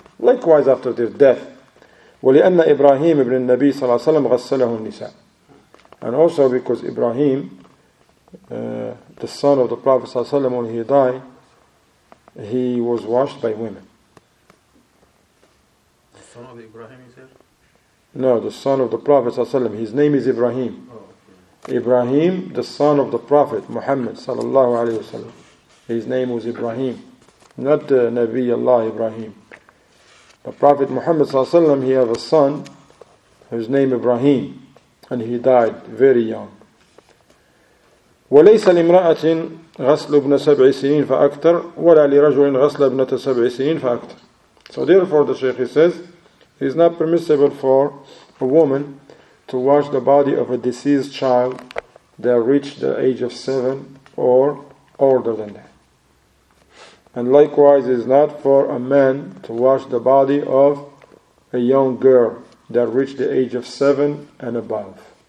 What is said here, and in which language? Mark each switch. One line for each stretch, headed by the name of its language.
English: Likewise, after their death,
Arabic: وَلِأَنَّ إِبْرَاهِيمَ إِبْنِ النَّبِي صَلَّى اللَّهُ عَلَيْهِ وَسَلَّمَ غَسَّلَهُ النِّسَاءُ.
English: And also because Ibrahim, the son of the Prophet Sallallahu Alaihi Wasallam, when he died, he was washed by women. The son of Ibrahim, is it? No, the son of the Prophet Sallallahu Alaihi Wasallam. His name is Ibrahim. Oh, okay. Ibrahim, the son of the Prophet Muhammad Sallallahu Alaihi Wasallam. His name was Ibrahim, not the Nabi Allah Ibrahim. The Prophet Muhammad Sallallahu Alaihi Wasallam, he have a son whose name Ibrahim. And he died very young.
Arabic: وليس لامرأة غسل ابن سبع سنين فأكثر ولا لرجل غسل ابنة سبع سنين فأكثر.
English: So therefore, the Shaykh says, it is not permissible for a woman to wash the body of a deceased child that reached the age of seven or older than that. And likewise, it is not for a man to wash the body of a young girl that reached the age of seven and above.